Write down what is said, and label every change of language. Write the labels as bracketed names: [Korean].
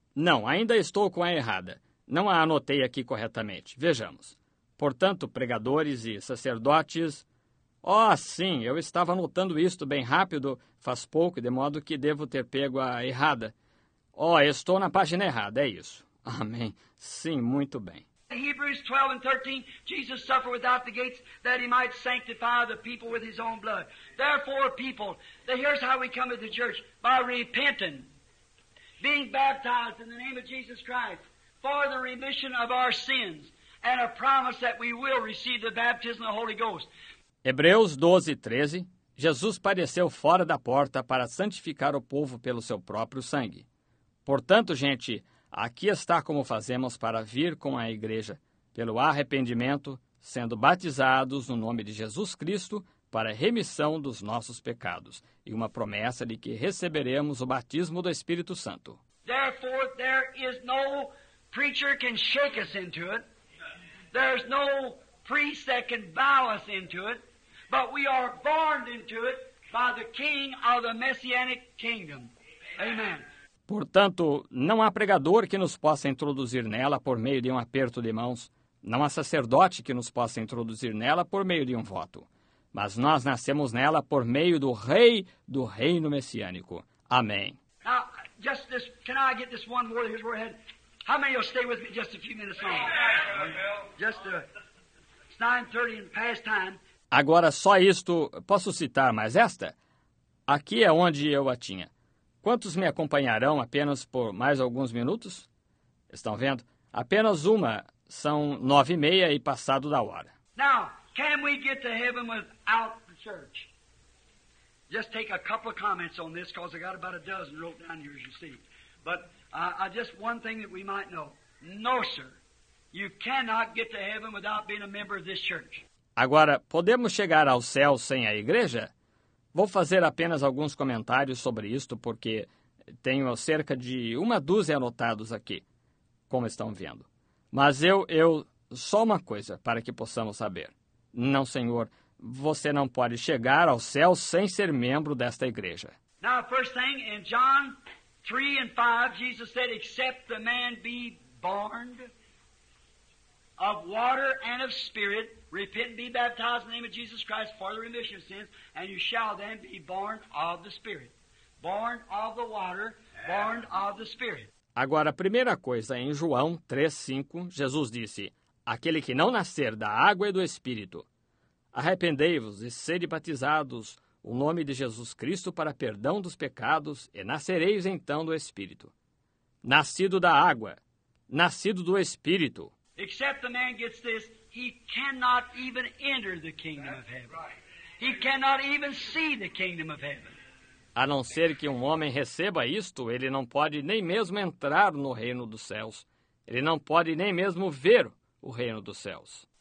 [Portuguese] Não, ainda estou com a errada. Não a anotei aqui corretamente. Vejamos. Portanto, pregadores e sacerdotes... Oh, sim, eu estava anotando isto bem rápido, faz pouco, de modo que devo ter pego a errada. Oh, estou na página errada, é isso. Amém. Sim, muito bem. [English] Hebrews 12 and 13, Jesus suffered without the gates that he might sanctify the people with his own blood. Therefore, people, here's how we come to the church, by repenting, being baptized in the name of Jesus Christ for the remission of our sins and a promise that we will receive the baptism of the Holy Ghost. [Portuguese] Hebreus 12, 13, Jesus padeceu fora da porta para santificar o povo pelo seu próprio sangue. Portanto, gente, aqui está como fazemos para vir com a igreja, pelo arrependimento, sendo batizados no nome de Jesus Cristo para remissão dos nossos pecados e uma promessa de que receberemos o batismo do Espírito Santo. [English] Therefore, there is no preacher can shake us into it. There's no priest that can bow us into it. But we are born into it by the King of the Messianic Kingdom. Amen. [Portuguese] Portanto, não há pregador que nos possa introduzir nela por meio de um aperto de mãos. Não há sacerdote que nos possa introduzir nela por meio de um voto. Mas nós nascemos nela por meio do Rei do Reino Messiânico. Amém. [English] Now, just this, can I get this one word? Here's where we're headed. How many will stay with me just a few minutes longer? Just it's 9:30 and past time. [Portuguese] Agora, só isto, posso citar mais esta? Aqui é onde eu a tinha. Quantos me acompanharão apenas por mais alguns minutos? Estão vendo? Apenas uma. São 9:30 e passado da hora. [English] Now, can we get to heaven without the church? Just take a couple of comments on this, because I got about a dozen wrote down here, as you see. But just one thing that we might know. No, sir. You cannot get to heaven without being a member of this church. [Portuguese] Agora, podemos chegar ao céu sem a igreja? Vou fazer apenas alguns comentários sobre isto, porque tenho cerca de uma dúzia anotados aqui, como estão vendo. Mas eu só uma coisa para que possamos saber. Não, senhor, você não pode chegar ao céu sem ser membro desta igreja. [English] Now, first thing, in John 3 and 5, Jesus said, except the man be born of water and of spirit, repent and be baptized in the name of Jesus Christ for the remission of sins, and you shall then be born of the Spirit. Born of the water, born of the Spirit. [Portuguese] Agora, a primeira coisa, em João 3, 5, Jesus disse, aquele que não nascer da água e do Espírito, arrependei-vos e sede batizados o nome de Jesus Cristo para perdão dos pecados, e nascereis então do Espírito. Nascido da água, nascido do Espírito. [English] Except the man gets this, he cannot even enter the kingdom of heaven. He cannot even see the kingdom of heaven. [Portuguese] A não ser que um homem receba isto, ele não pode nem mesmo entrar no reino dos céus. Ele não pode nem mesmo ver o reino dos céus.